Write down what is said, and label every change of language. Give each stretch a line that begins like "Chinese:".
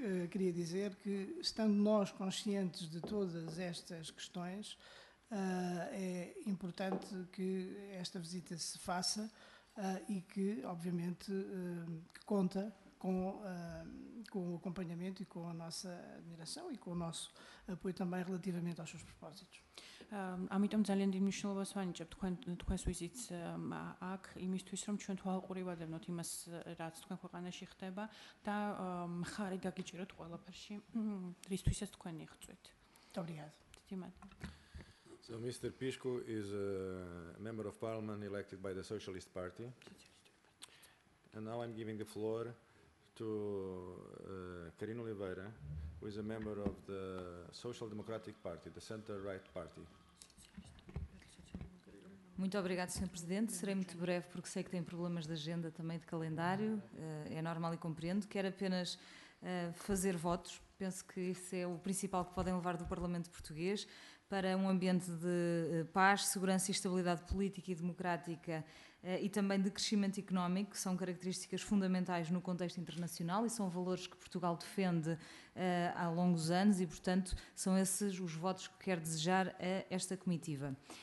Portuguese: queria dizer que, estando nós conscientes de todas estas questões, é importante que esta visita se faça e que, obviamente, que conta com o acompanhamento e com a nossa admiração e com o nosso apoio também relativamente aos seus propósitos.
Georgian: Ამიტომ ძალიან დიდი მნიშვნელობას ვანიჭებთ თქვენს ვიზიტს აქ, იმისთვის რომ ჩვენ თვალყური ვადევნოთ იმას, რაც თქვენ ქვეყანაში ხდება და მხარი გაგიჭიროთ ყველაფერში, რისთვისაც თქვენ იღწვით.
English: So Mr. Pisco is a member of parliament elected by the Socialist Party. And now I'm giving the floor to Karine Oliveira, who is a member of the Social Democratic Party, the center-right party.
Portuguese: Muito obrigado, Sr. Presidente. Serei muito breve, porque sei que tem problemas de agenda, também de calendário. É normal e compreendo. Quero apenas fazer votos. Penso que isso é o principal que podem levar do Parlamento Português para um ambiente de paz, segurança e estabilidade política e democrática e também de crescimento económico, que são características fundamentais no contexto internacional e são valores que Portugal defende há longos anos e, portanto, são esses os votos que quero desejar a esta comitiva.